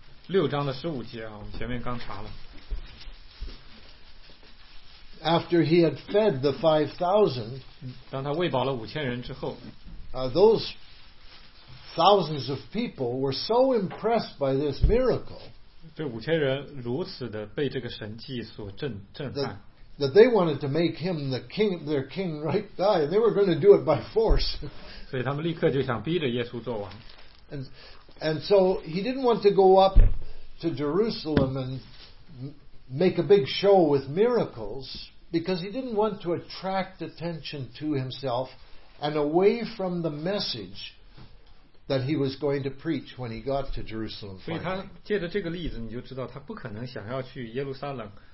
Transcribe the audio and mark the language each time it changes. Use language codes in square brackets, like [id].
[zh] 六章的十五节啊，我们前面刚查了。 [en] After he had fed the 5,000, [zh] 当他喂饱了五千人之后， [en] Those thousands of people were so impressed by this miracle. [zh] 这五千人如此的被这个神迹所震撼。 [en] That they wanted to make him the king, their king, right guy, and they were going to do it by force. [zh] 所以他们立刻就想逼着耶稣做王。 [en] And so he didn't want to go up to Jerusalem and make a big show with miracles because he didn't want to attract attention to himself and away from the message that he was going to preach when he got to Jerusalem. [zh] 所以他借着这个例子，你就知道他不可能想要去耶路撒冷。